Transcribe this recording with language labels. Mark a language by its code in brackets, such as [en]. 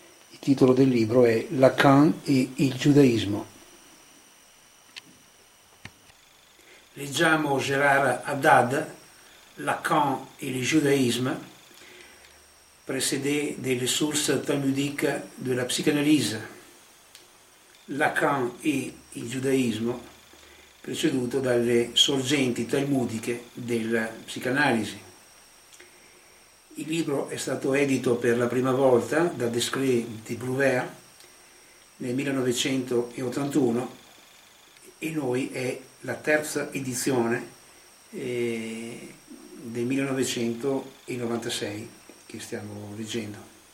[it] Il titolo del libro è Lacan e il giudaismo. Leggiamo [fr] Gérard Haddad, Lacan et le judaïsme, précédé des ressources talmudiques de la psychanalyse. [it] Lacan et il judaïsme, preceduto dalle sorgenti talmudiche della psicanalisi. Il libro è stato edito per la prima volta da Descrée de Bruyère nel 1981 e noi è la terza edizione del 1996 che stiamo leggendo.